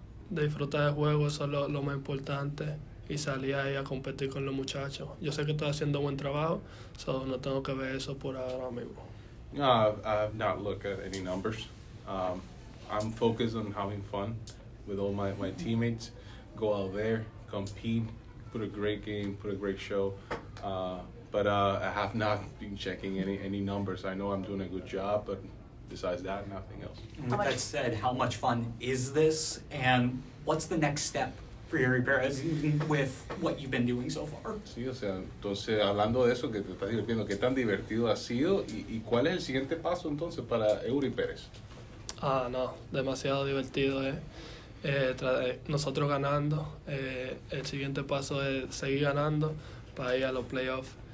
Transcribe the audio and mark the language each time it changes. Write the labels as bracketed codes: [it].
[es] Disfrutar del juego, eso es lo más importante, y salir ahí a competir con los muchachos. Yo sé que estoy haciendo buen trabajo, solo no tengo que ver eso por ahora mismo. [en] No, I've not looked at any numbers. I'm focused on having fun with all my teammates. Go out there, compete, put a great game, put a great show. But I have not been checking any numbers. I know I'm doing a good job, but besides that, nothing else. With that said, how much fun is this, and what's the next step for Yuri Perez with what you've been doing so far? [es] Sí, o sea, entonces hablando de eso que te estás divirtiendo, qué tan divertido ha sido y cuál es el siguiente paso entonces para Yuri Perez? No, demasiado divertido, nosotros ganando, el siguiente paso es seguir ganando para ir a los playoffs.